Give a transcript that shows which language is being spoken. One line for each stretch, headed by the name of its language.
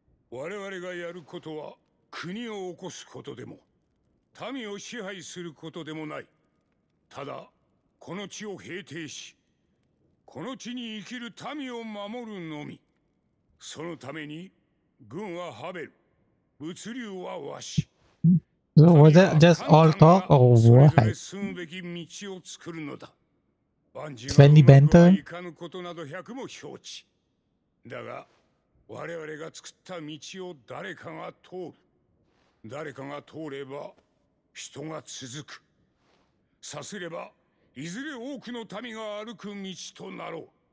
Japanese: 我々がやることは国を起こすことでも民を支配することでもない。ただこの地を平定し、この地に生きる民を守るのみ。そのために軍はハベル、物流はわし。
English: So was that just all talk or what? Friendly banter?
Japanese: いかぬことなど百も承知。だが我々が作った道を誰かが通る。誰かが通れば人が続く。さすればいずれ多くの民が歩く道となろう。